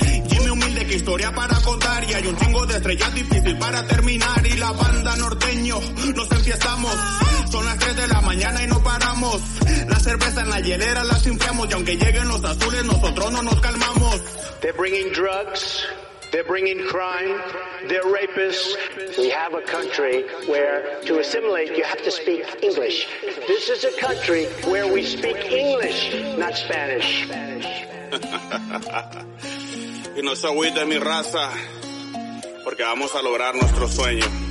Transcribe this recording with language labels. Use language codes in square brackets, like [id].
[es] Jimmy Humilde, que historia para contar. Y hay un chingo de estrellas difícil para terminar. Y la banda norteño, nos empezamos. Son las 3 de la mañana y no paramos. La cerveza en la hielera la simpiamos. Y aunque lleguen los azules, nosotros no nos calmamos. [en] They're bringing drugs, they're bringing crime, they're rapists. We have a country where to assimilate you have to speak English. This is a country where we speak English, not Spanish. [es] Y no se agüite mi raza, porque vamos a lograr nuestro sueño.